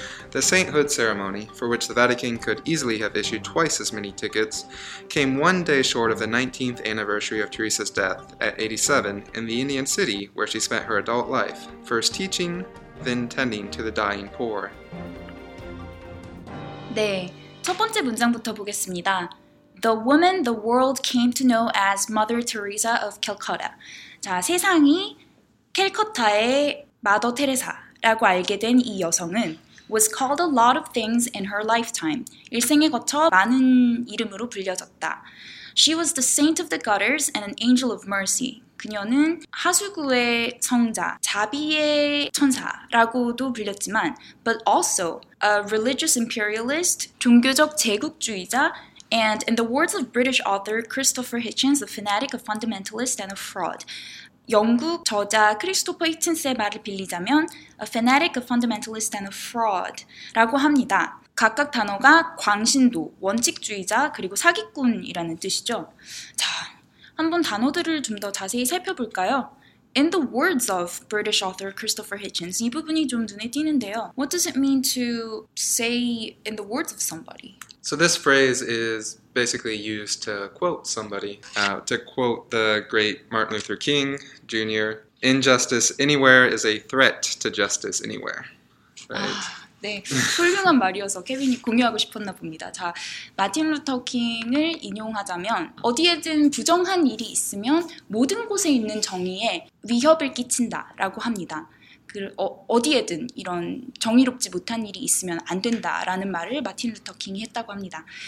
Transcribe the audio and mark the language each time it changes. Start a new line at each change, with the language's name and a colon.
English: The sainthood ceremony, for which the Vatican could easily have issued twice as many tickets, came one day short of the 19th anniversary of Teresa's death at 87 in the Indian city where she spent her adult life, first teaching, then tending to the dying poor.
Korean: 네, 첫 번째 문장부터 보겠습니다.
English: The woman the world came to know as Mother Teresa of Calcutta.
Korean: 자, 세상이 캘커타의 마더 테레사라고 알게 된 이 여성은
English: was called a lot of things in her lifetime.
Korean: 일생에 거쳐 많은 이름으로 불려졌다.
English: She was the saint of the gutters and an angel of mercy.
Korean: 그녀는 하수구의 성자, 자비의 천사라고도 불렸지만
English: but also a religious imperialist,
Korean: 종교적 제국주의자
English: and in the words of British author Christopher Hitchens, a fanatic, a fundamentalist and a fraud.
Korean: 영국 저자 크리스토퍼 히친스의 말을 빌리자면
English: a fanatic, a fundamentalist and a fraud
Korean: 라고 합니다. 각각 단어가 광신도, 원칙주의자 그리고 사기꾼이라는 뜻이죠. 자, 한번 단어들을 좀 더 자세히 살펴볼까요?
English: In the words of British author Christopher Hitchens,
Korean: 이 부분이 좀 눈에 띄는데요.
English: What does it mean to say in the words of somebody? So this phrase is basically used to quote somebody, to quote the great Martin Luther King Jr. Injustice anywhere is a threat to justice anywhere. Right?
Korean: 네, 훌륭한 말이어서 케빈이 공유하고 싶었나 봅니다. 자, 마틴 루터 킹을 인용하자면 어디에든 부정한 일이 있으면 모든 곳에 있는 정의에 위협을 끼친다라고 합니다. 그 어디에든 이런 정의롭지 못한 일이 있으면 안 된다라는 말을 마틴 루터 킹이 했다고 합니다.